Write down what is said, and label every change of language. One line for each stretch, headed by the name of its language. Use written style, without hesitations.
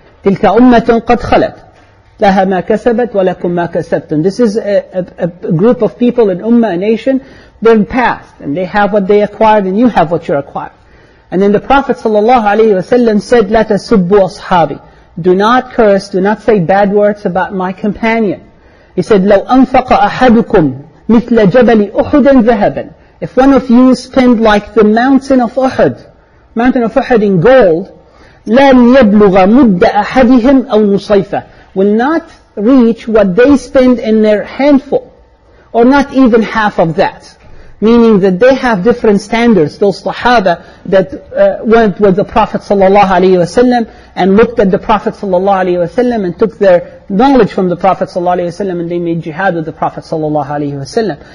Arabic: تِلْكَ أُمَّةٌ قَدْ خَلَتْ لَهَا مَا كَسَبَتْ وَلَكُمْ مَا كَسَبْتُمْ.
English: This is a group of people, an ummah, a nation, they're past, and they have what they acquired, and you have what you acquired. And then the Prophet sallallahu alaihi wasallam said,
Arabic: لَتَسُبُّ أَصْحَابِي.
English: Do not curse, do not say bad words about my companion. He said,
Arabic: لَوْ أَنْفَقَ أَحَدُكُمْ مِثْلَ جَبَلِ أُحُدٍ ذَهَبًا.
English: If one of you spend like the mountain of Uhud in gold,
Arabic: لَنْ يَبْلُغَ مُدَّ أَحَدِهِمْ أَوْ نُصَيْفَ,
English: will not reach what they spend in their handful, or not even half of that. Meaning that they have different standards, those Sahaba that went with the Prophet sallallahu alaihi wasallam and looked at the Prophet sallallahu alaihi wasallam and took their knowledge from the Prophet sallallahu alaihi wasallam, and they made jihad with the Prophet sallallahu alaihi wasallam.